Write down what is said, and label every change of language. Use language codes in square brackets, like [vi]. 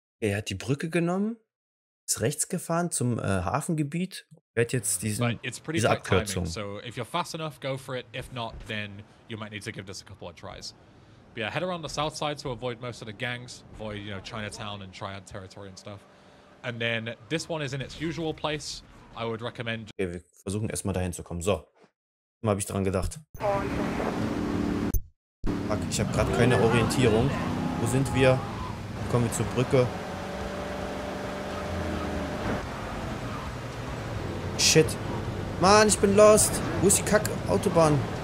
[de] Er hat die Brücke genommen, ist rechts gefahren zum Hafengebiet. Wird jetzt diese Abkürzung. [en] So if you're fast enough, go for it. If not, then you might need to give this a couple of tries. But yeah, head around the south side to avoid most of the gangs, avoid, you know, Chinatown and Triad territory and stuff. And then this one is in its usual place. I would recommend. [de] Okay, wir versuchen erstmal dahin zu kommen. So. Mal habe ich dran gedacht. Fuck, ich habe gerade keine Orientierung. Wo sind wir? Kommen wir zur Brücke? Shit. Mann, ich bin lost. Wo ist die Kack-Autobahn?